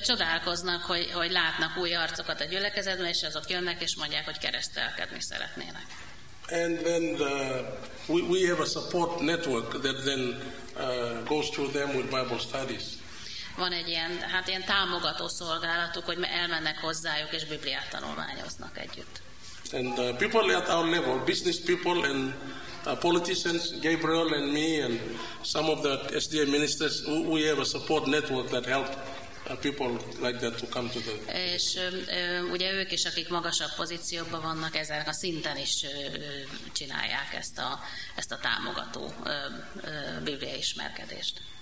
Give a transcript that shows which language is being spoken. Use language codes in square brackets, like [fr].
[hu] Csodálkoznak, hogy látnak új arcokat a gyülekezetben, és azok jönnek és mondják, hogy keresztelkedni szeretnének. [en] And then we have a support network that then goes through them with Bible studies. [hu] Van egy ilyen, hát ilyen támogató szolgálatuk, hogy elmennek hozzájuk és Bibliát tanulmányoznak együtt. [en] And people at our level, business people and politicians, Gabriel and me and some of the SDA ministers, we have a support network that helped people like that to come to the... [hu] És ugye ők is, akik magasabb pozícióban vannak, ezen a szinten is csinálják ezt a, ezt a támogató bibliai ismerkedést.